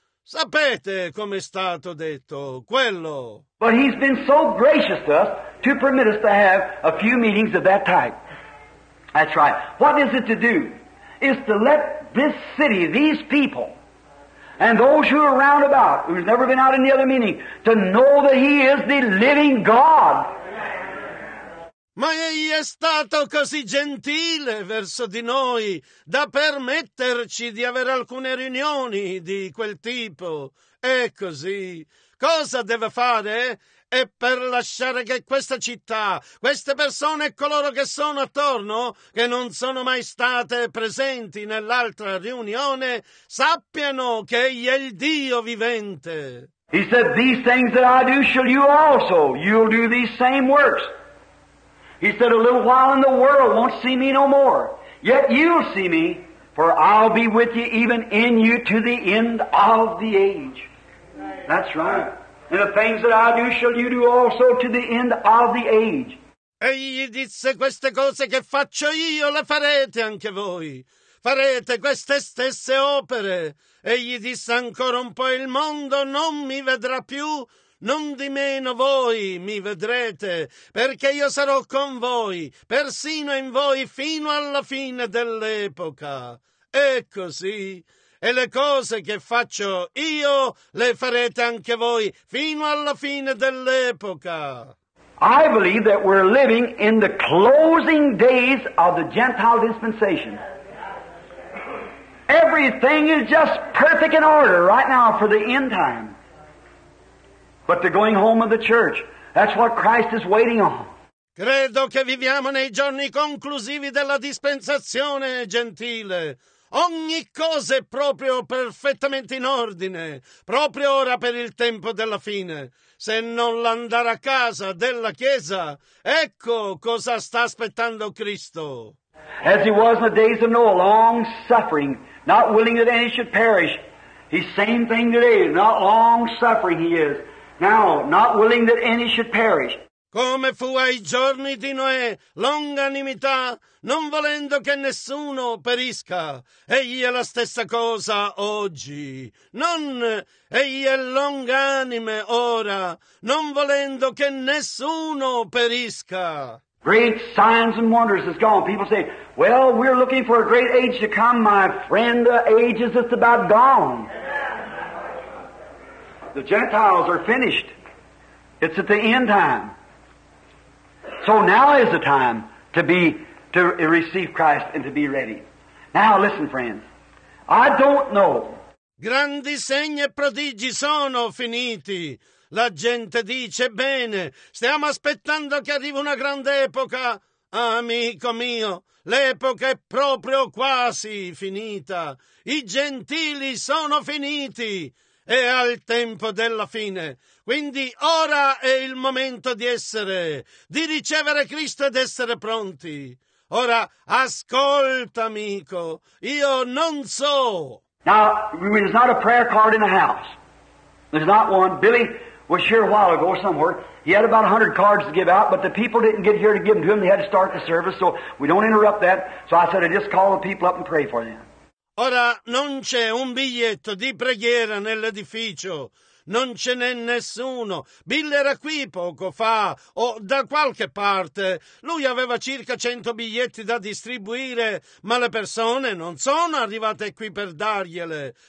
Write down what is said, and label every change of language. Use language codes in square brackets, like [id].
[it] Sapete come è stato detto, quello. [en] But he's been so gracious to us to permit us to have a few meetings of that type. That's right. What is it to do? It's to let this city, these people, and those who are round about, who's never been out in the other meeting, to know that he is the living God. [it] Ma egli è stato così gentile verso di noi da permetterci di avere alcune riunioni di quel tipo. È così. Cosa deve fare? È per lasciare che questa città, queste persone e coloro che sono attorno, che non sono mai state presenti nell'altra riunione, sappiano che egli è il Dio vivente. [en] He said, "These things that I do shall you also. You'll do these same works." He said, "A little while in the world won't see me no more. Yet you'll see me, for I'll be with you even in you to the end of the age." That's right. "And the things that I do shall you do also to the end of the age." [it] Egli disse, "Queste cose che faccio io le farete anche voi. Farete queste stesse opere." Egli disse ancora un po', "Il mondo non mi vedrà più. Non di meno voi mi vedrete, perché io sarò con voi, persino in voi, fino alla fine dell'epoca." È così. "E le cose che faccio io le farete anche voi, fino alla fine dell'epoca." [en] I believe that we're living in the closing days of the Gentile dispensation. Everything is just perfect in order right now for the end time. But the going home of the church, that's what Christ is waiting on. [it] Credo che viviamo nei giorni conclusivi della dispensazione gentile. Ogni cosa è proprio perfettamente in ordine, proprio ora per il tempo della fine. Se non l'andare a casa della Chiesa, ecco cosa sta aspettando Cristo. [en] As he was in the days of Noah, long suffering, not willing that any should perish. He's the same thing today, not long suffering he is. Now, not willing that any should perish. [it] Come fu ai giorni di Noè, longanimità, non volendo che nessuno perisca. Egli è la stessa cosa oggi. Non, egli è longanime ora, non volendo che nessuno perisca. [en] Great signs and wonders is gone. People say, "Well, we're looking for a great age to come, my friend. The age is just about gone. The Gentiles are finished. It's at the end time. So now is the time to receive Christ and to be ready." Now listen, friends. I don't know. [it] Grandi segni e prodigi sono finiti. La gente dice, bene, stiamo aspettando che arrivi una grande epoca. Amico mio, l'epoca è proprio quasi finita. I gentili sono finiti. È al tempo della fine. Quindi ora è il momento di essere, di ricevere Cristo ed essere pronti. Ora, ascolta, amico, io non so. [en] Now, there's not a prayer card in the house. There's not one. Billy was here a while ago somewhere. He had about 100 cards to give out, but the people didn't get here to give them to him. They had to start the service, so we don't interrupt that. So I said, I just call the people up and pray for them. [it] Ora, non c'è un biglietto di preghiera nell'edificio. Non ce n'è nessuno. Bill era qui poco fa, o da qualche parte. Lui aveva circa 100 biglietti da distribuire, ma le persone non sono arrivate qui per dargliele.